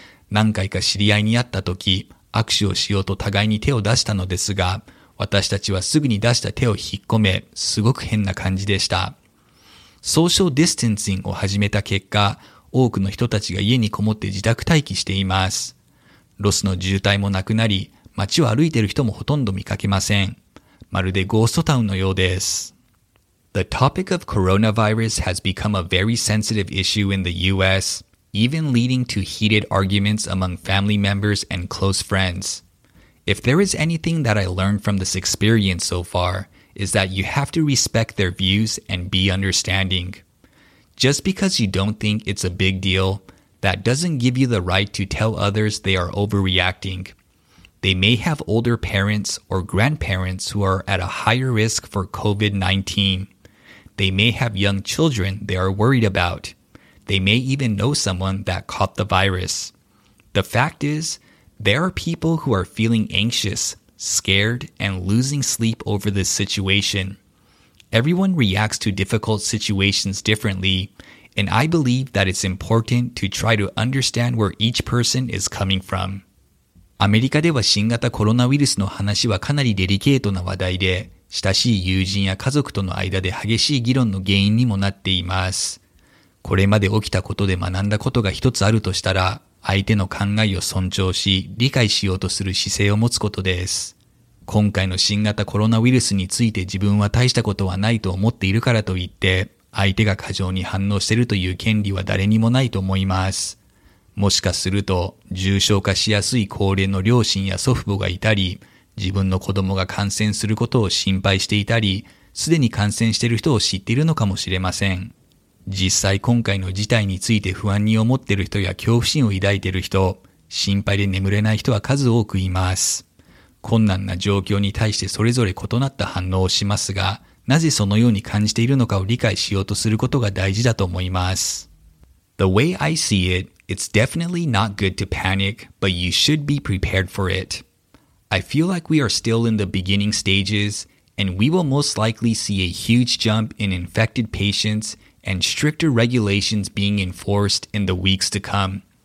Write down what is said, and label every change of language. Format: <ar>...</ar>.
<ja>何回か知り合いに会ったとき、握手をしようと互いに手を出したのですが、私たちはすぐに出した手を引っ込め、すごく変な感じでした。ソーシャルディスタンシングを始めた結果、多くの人たちが家にこもって自宅待機しています。ロスの渋滞もなくなり、街を歩いている人もほとんど見かけません。まるでゴーストタウンのようです。</ja> <en>The topic of coronavirus has become a very sensitive issue in the US. Even leading to heated arguments among family members and close friends. If there is anything that I learned from this experience so far, is that you have to respect their views and be understanding. Just because you don't think it's a big deal, that doesn't give you the right to tell others they are overreacting. They may have older parents or grandparents who are at a higher risk for COVID-19. They may have young children they are worried about. They may even know someone that caught the virus. The fact is, there are people who are feeling anxious, scared, and losing sleep over this situation. Everyone reacts to difficult situations differently, and I believe that it's important to try to understand where each person is coming from.</en> <ja>アメリカでは新型コロナウイルスの話はかなりデリケートな話題で、親しい友人や家族との間で激しい議論の原因にもなっています。これまで起きたことで学んだことが一つあるとしたら、相手の考えを尊重し、理解しようとする姿勢を持つことです。今回の新型コロナウイルスについて自分は大したことはないと思っているからといって、相手が過剰に反応しているという権利は誰にもないと思います。もしかすると、重症化しやすい高齢の両親や祖父母がいたり、自分の子供が感染することを心配していたり、すでに感染している人を知っているのかもしれません。実際今回の事態について不安に思っている人や恐怖心を抱いている人、心配で眠れない人は数多くいます。困難な状況に対してそれぞれ異なった反応をしますが、なぜそのように感じているのかを理解しようとすることが大事だと思います。</ja> <en>The way I see it, it's definitely not good to panic, but you should be prepared for it. I feel like we are still in the beginning stages, and we will most likely see a huge jump in infected patients and stricter regulations being enforced in the weeks to come.</en>